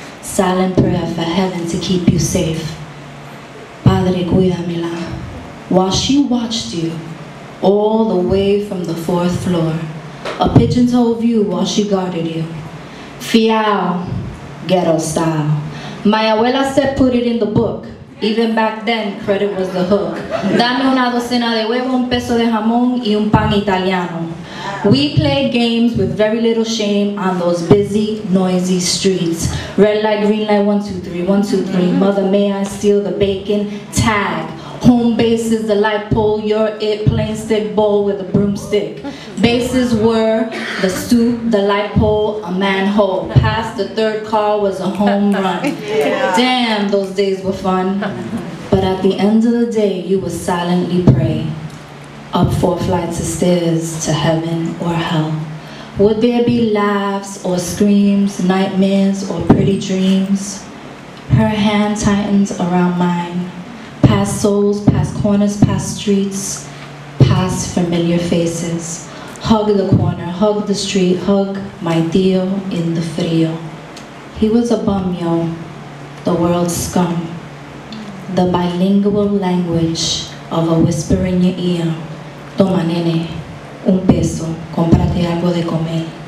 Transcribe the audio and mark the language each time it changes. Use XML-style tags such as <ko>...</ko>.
<en>Silent prayer for heaven to keep you safe.</en> <es>Padre, cuidamela.</es> <en>While she watched you all the way from the fourth floor. A pigeon-toed view while she guarded you. Fiao, ghetto style. My abuela said put it in the book. Even back then, credit was the hook.</en> <es>Dame una docena de huevo, un peso de jamón, y un pan italiano.</es> <en>We played games with very little shame on those busy, noisy streets. Red light, green light, 1, 2, 3, 1, 2, 3. Mother, may I steal the bacon? Tag. Home base is the light pole, you're it, plain stick bowl with a broomstick. Bases were the stoop, the light pole, a manhole. Past the third car was a home run. Damn, those days were fun. But at the end of the day, you would silently pray. Up 4 flights of stairs to heaven or hell. Would there be laughs or screams, nightmares or pretty dreams? Her hand tightens around mine. Past souls, past corners, past streets, past familiar faces. Hug the corner, hug the street, hug my tío in the frío. He was a bum, yo, the world's scum. The bilingual language of a whisper in your ear.</en> <es>Toma, nene, un peso, cómprate algo de comer.</es>